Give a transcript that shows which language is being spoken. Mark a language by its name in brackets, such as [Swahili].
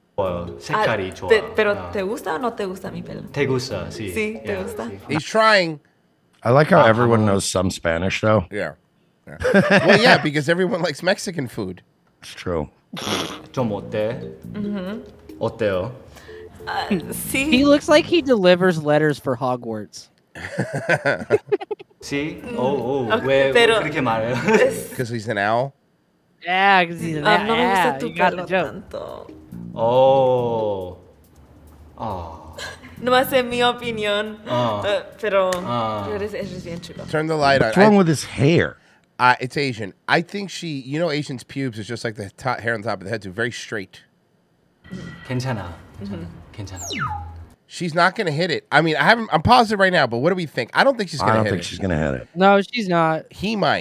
[Spanish] Pero te gusta o no te gusta mi pelo? Te gusta, sí. Sí, te gusta. [English] He's trying. I like how everyone knows some Spanish, though. Yeah. Well, yeah, because everyone likes Mexican food. It's true. [Spanish] Tomate. Mm-hmm. Hotel. Sí. [English] He looks like he delivers letters for Hogwarts. [Spanish] Sí. Oh, [English] because he's an owl? Yeah, because he's an owl. [Spanish] No me gusta tu pelo tanto. Oh. No más en mi opinión, pero eres bien chulo. [English] Turn the light on. What's wrong with his hair? It's Asian. I think she, Asian's pubes is just like the hair on top of the head too, very straight. [Korean] 괜찮아. 괜찮아. [English] She's not going to hit it. I mean, I'm positive right now, but what do we think? I don't think she's going to hit it. I don't think she's going to hit it. No, she's not. He might.